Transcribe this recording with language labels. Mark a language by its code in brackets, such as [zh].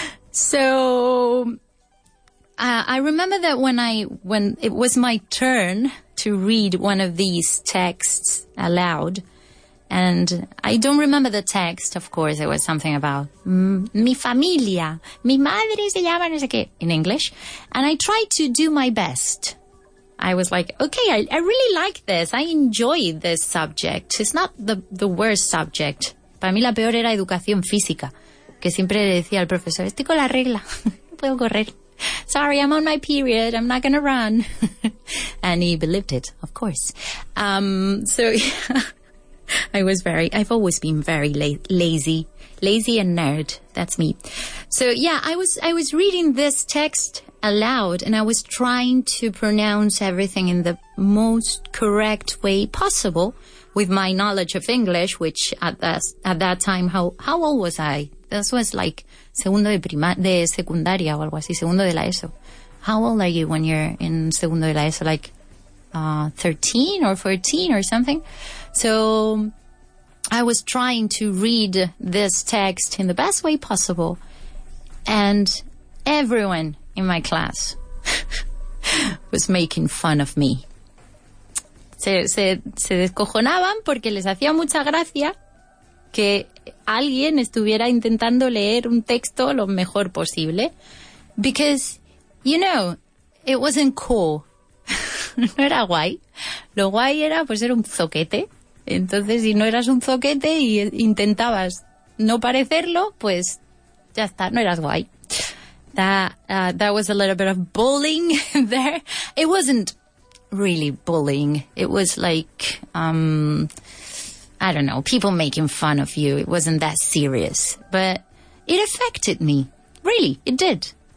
[en] So I remember that when it was my turn to read one of these texts aloud, and I don't remember the text, of course, it was something about [es] mi familia, mi madre se llama no sé qué, [en] in English, and I tried to do my best. I was like, okay, I really like this. I enjoy this subject. It's not the worst subject. [es] Para mí la peor era educación física, que siempre le decía al profesor, estoy con la regla, no puedo correr. [en] Sorry, I'm on my period. I'm not going to run. And he believed it, of course. So yeah, I've always been very lazy. Lazy and nerd. That's me. So yeah, I was reading this text aloud, and I was trying to pronounce everything in the most correct way possible with my knowledge of English, which at that time, how old was I? This was like [es] segundo de secundaria or algo así, segundo de la ESO. [en] How old are you when you're in segundo de la ESO? Like 13 or 14 or something? So I was trying to read this text in the best way possible, and everyone in my class was making fun of me. [es] Se descojonaban porque les hacía mucha gracia que alguien estuviera intentando leer un texto lo mejor posible. [en] Because, you know, it wasn't cool. [es] No era guay. Lo guay era, pues, ser un zoquete. Entonces, si no eras un zoquete y intentabas no parecerlo, pues ya está, no eras guay. [en] That was a little bit of bullying there. It wasn't really bullying. It was like, I don't know, people making fun of you. It wasn't that serious. But it affected me. Really, it did.